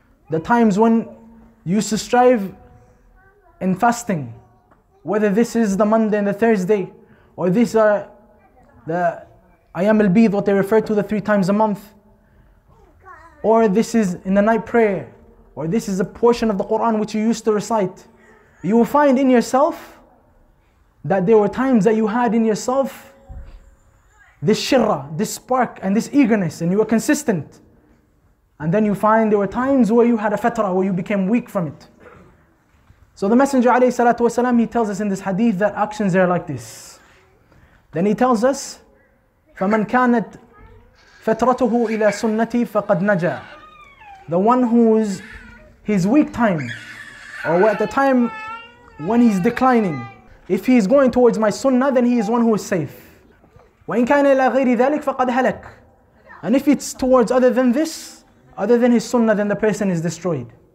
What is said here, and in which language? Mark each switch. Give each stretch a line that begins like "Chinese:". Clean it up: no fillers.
English: The times when you used to strive in fasting, whether this is the Monday and the Thursday, or these are the Ayyam al-Bid, what they refer to, the three times a month, or this is in the night prayer, or this is a portion of the Quran which you used to recite, you will find in yourself that there were times that you had in yourself this shirra, this spark, and this eagerness, and you were consistent. And then you find there were times where you had a fatra, where you became weak from it. So the Messenger alayhi salatu wasalam, he tells us in this hadith that actions are like this. Then he tells us,
Arabic: فَمَنْ كَانَتْ فَتْرَتُهُ إِلَى سُنَّتِي فَقَدْ نَجَى.
English: The one who's his weak time, or at the time when he's declining, if he's going towards my sunnah, then he is one who is safe.
Arabic: وَإِنْ كَانَ إِلَى غَيْرِ ذَلِكَ فَقَدْ هَلَكَ.
English: And if it's towards other than this, other than his sunnah, then the person is destroyed.